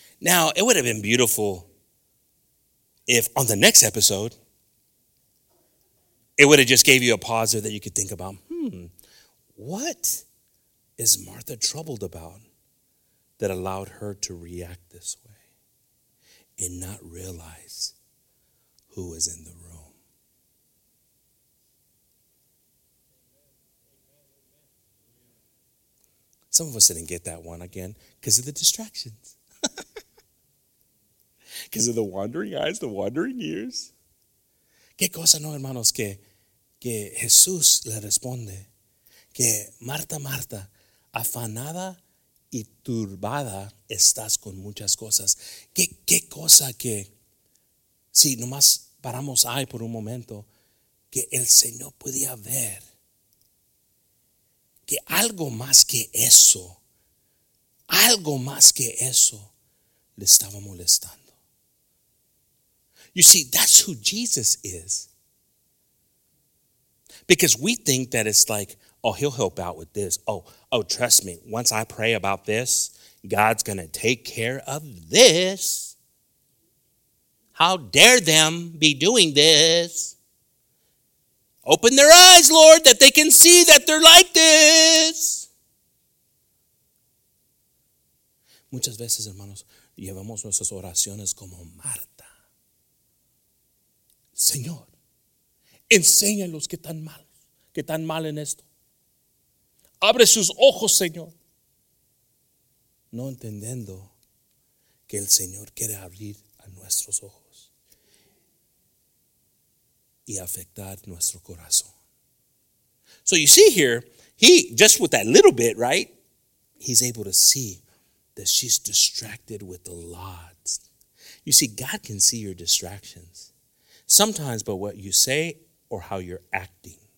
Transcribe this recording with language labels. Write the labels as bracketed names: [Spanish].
[English] Now, it would have been beautiful if on the next episode, it would have just gave you a pause there that you could think about, what is Martha troubled about that allowed her to react this way and not realize who was in the room? Some of us didn't get that one again because of the distractions. Because of the wandering eyes, the wandering ears. [Spanish] ¿Qué cosa no, hermanos, que Jesús le responde? Que Marta, Marta, afanada y turbada estás con muchas cosas. ¿Qué cosa que, si nomás paramos ahí por un momento, que el Señor podía ver que algo más que eso, algo más que eso le estaba molestando? [English] You see, that's who Jesus is. Because we think that it's like, oh, he'll help out with this. Oh, trust me, once I pray about this, God's going to take care of this. How dare them be doing this? Open their eyes, Lord, that they can see that they're like this. [Spanish] Muchas veces, hermanos, llevamos nuestras oraciones como Marta. Señor, enséñalos que tan mal en esto. Abre sus ojos, Señor. No entendiendo que el Señor quiere abrir a nuestros ojos y afectar nuestro corazón. [English] So you see here, he, just with that little bit, right? He's able to see that she's distracted with the lots. You see, God can see your distractions. Sometimes by what you say or how you're acting.